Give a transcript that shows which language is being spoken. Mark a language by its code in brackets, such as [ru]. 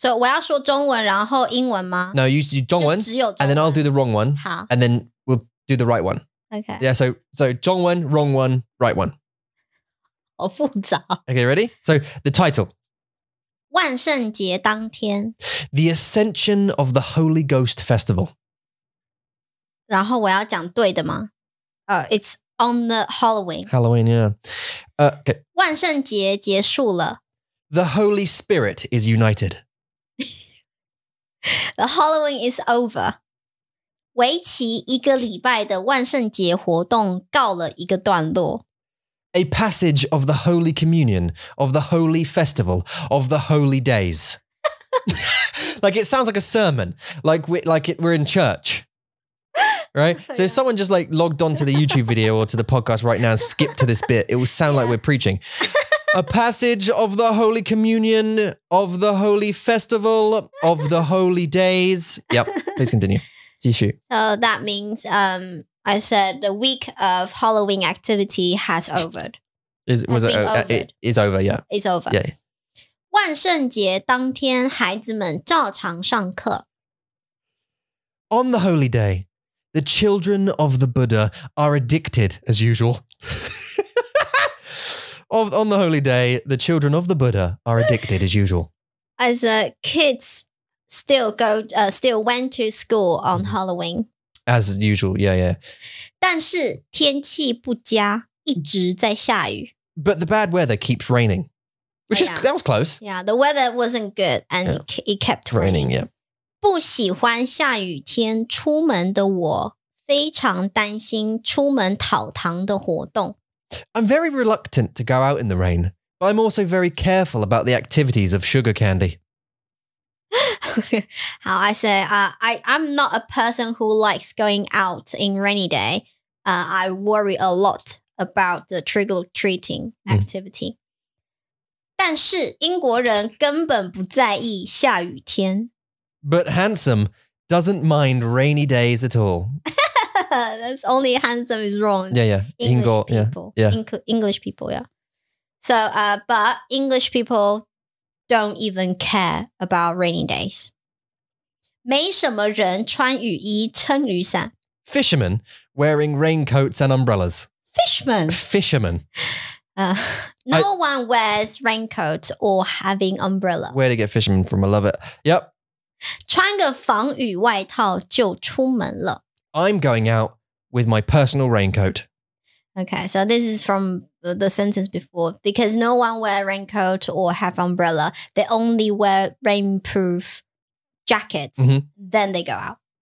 [zh] 我要说中文然后英文吗? [en] No, you do 中文, and then I'll do the wrong one, and then we'll do the right one. Okay. Yeah, so 中文, wrong one, right one. [zh] 好复杂。 [en] Okay, ready? So the title. [zh] 万圣节当天。 [en] The Ascension of the Holy Ghost Festival. [zh] 然后我要讲对的吗？ [en] It's on the Halloween. Halloween, yeah. Okay. [zh] 万圣节结束了。 [en] The Holy Spirit is united. The Halloween is over. [zh] 为期一个礼拜的万圣节活动告了一个段落。 [en] A passage of the Holy Communion, of the Holy Festival, of the Holy Days. Like, it sounds like a sermon. We're in church. Right? So if someone just like logged on to the YouTube video or to the podcast right now and skipped to this bit, it will sound like we're preaching. A passage of the Holy Communion, of the Holy Festival, of the Holy Days. Yep. Please continue. Issue. So that means, I said the week of Halloween activity has over. It's over. Yeah. [zh] 万圣节当天，孩子们照常上课。 [en] On the holy day, the children of the Buddha are addicted as usual. On the holy day, the children of the Buddha are addicted as usual. As kids still went to school on Halloween. As usual, yeah. [zh] 但是天气不佳，一直在下雨。 [en] But the bad weather keeps raining, which is, that was close. Yeah, the weather wasn't good and it kept raining. Yeah. [zh] 不喜欢下雨天出门的我，非常担心出门讨糖的活动。 [en] I'm very reluctant to go out in the rain, but I'm also very careful about the activities of sugar candy. How I say, I'm not a person who likes going out in rainy day. I worry a lot about the trick-or-treating activity. [zh] 但是英国人根本不在意下雨天。 [en] But handsome doesn't mind rainy days at all. That's only handsome is wrong. Yeah. English people, yeah. So, but English people don't even care about rainy days. [zh] 没什么人穿雨衣撑雨伞。 [en] Fishermen wearing raincoats and umbrellas. Fishermen. No one wears raincoats or having umbrella. Where to get fishermen from? I love it. Yep. [zh] 穿个防雨外套就出门了。 [en] I'm going out with my personal raincoat. Okay, so this is from the sentence before. Because no one wear raincoat or have umbrella, they only wear rainproof jackets, then they go out.